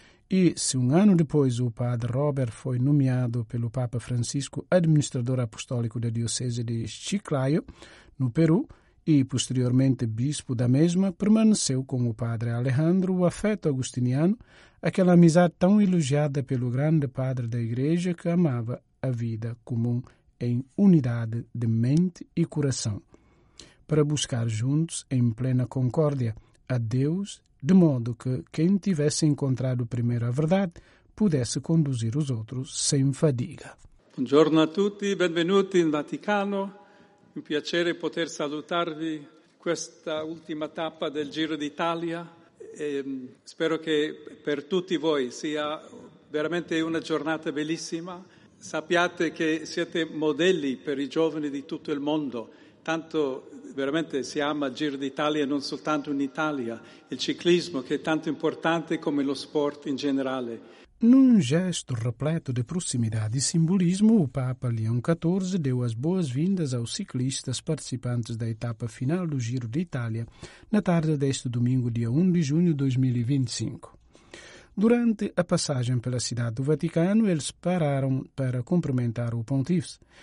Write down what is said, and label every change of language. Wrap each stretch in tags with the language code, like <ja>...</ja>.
<pt>E se um ano depois o padre Robert foi nomeado pelo Papa Francisco administrador apostólico da diocese de Chiclayo, no Peru, e posteriormente bispo da mesma, permaneceu com o padre Alejandro o afeto agostiniano, aquela amizade tão elogiada pelo grande padre da Igreja que amava a vida comum em unidade de mente e coração, para buscar juntos em plena concórdia a Deus, de modo que quem tivesse encontrado primeiro a verdade pudesse conduzir os outros sem fadiga.</pt> <it>Buongiorno a tutti, benvenuti in Vaticano. Un piacere poter salutarvi questa ultima tappa del Giro d'Italia. E spero che per tutti voi sia veramente una giornata bellissima. Sappiate che siete modelli per i giovani di tutto il mondo. Tanto veramente si ama il Giro d'Italia, non soltanto in Italia, il ciclismo che è tanto importante come lo sport in generale.</it> <pt>Num gesto repleto de proximidade e simbolismo, o Papa Leão XIV deu as boas-vindas aos ciclistas participantes da etapa final do Giro d'Italia na tarde deste domingo, dia 1 de junho de 2025. Durante a passagem pela cidade do Vaticano, eles pararam para cumprimentar o pontífice.</pt>